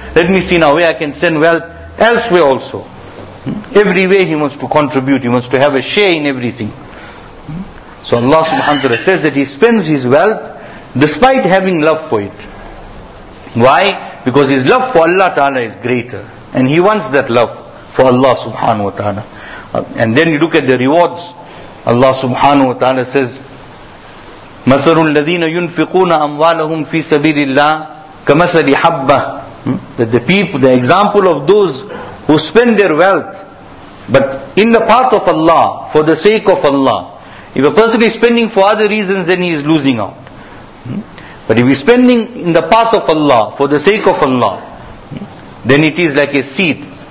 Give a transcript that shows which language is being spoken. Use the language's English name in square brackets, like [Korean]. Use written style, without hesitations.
[English] Let me see now where I can send wealth elsewhere also. Every way he wants to contribute. He wants to have a share in everything. So Allah subhanahu wa ta'ala says that he spends his wealth despite having love for it. Why? Because his love for Allah ta'ala is greater. And he wants that love for Allah subhanahu wa ta'ala. And then you look at the rewards. Allah subhanahu wa ta'ala says, [Arabic] مَثَلُ الَّذِينَ يُنْفِقُونَ أَمْوَالَهُمْ فِي سَبِيلِ اللَّهِ كَمَثَلِ حَبَّةِ. [English] That the people, the example of those who spend their wealth, but in the path of Allah, for the sake of Allah. If a person is spending for other reasons, then he is losing out. But if he is spending in the path of Allah, for the sake of Allah, then it is like a seed.